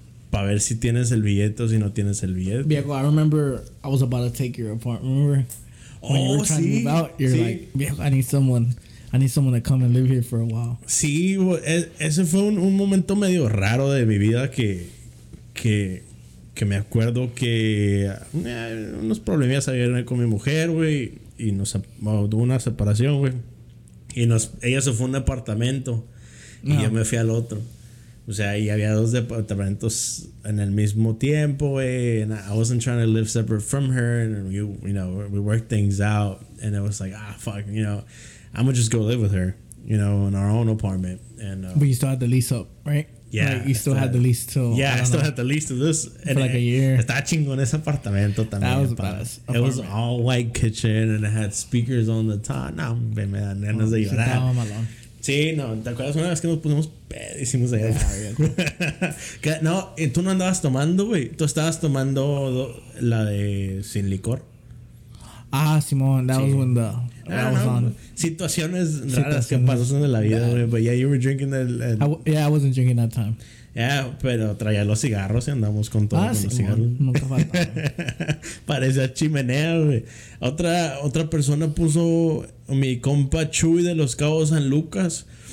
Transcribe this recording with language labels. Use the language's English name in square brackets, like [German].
[Spanish] Para ver si tienes el billete o si no tienes el billete. [English] Viejo, I remember I was about to take your apartment. Remember? When you were trying to move out, you're like, viejo, I need someone. I need someone to come and live here for a while. [Spanish] Sí, ese fue un momento medio raro de mi vida que me acuerdo que unos problemas había con mi mujer, güey, y nos hubo una separación, güey, y ella se fue a un departamento y yo me fui al otro. [English] O sea, y había dos departamentos en el mismo tiempo, güey, and I wasn't trying to live separate from her, and we worked things out, and it was like, fuck, you know. I'm gonna just go live with her, you know, in our own apartment. And but you still had the lease up, right? Yeah, like you still had the lease till. Yeah, I had the lease to this for like a year. [Spanish] Está chingón ese apartamento también. [English] That was a badass. It was all white kitchen and it had speakers on the top. [Spanish] No, hombre, me dan ganas de llorar. Sí, no, ¿te acuerdas una vez que nos pusimos pedísimos allá? No, tú no andabas tomando, güey. Tú estabas tomando la de sin licor. [English] Ah, Simón, that was when I was on. [Spanish] Situaciones raras que pasaron en la vida, güey. [English] But yeah, you were drinking I wasn't drinking that time. [Spanish] Yeah, pero traía los cigarros y andamos con todo con los cigarros. Nunca faltaba. Parecía chimenea, güey. Otra persona puso mi compa Chuy de Los Cabos San Lucas.